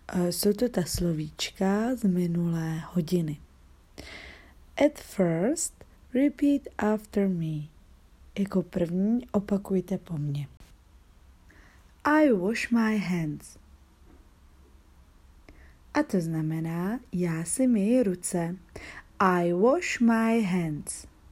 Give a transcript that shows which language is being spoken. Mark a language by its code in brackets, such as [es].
[cs] Jsou to ta slovíčka z minulé hodiny. [en] At first, repeat after me. [cs] Jako první opakujte po mně. [en] I wash my hands. [cs] A to znamená, já si myji ruce. [en] I wash my hands.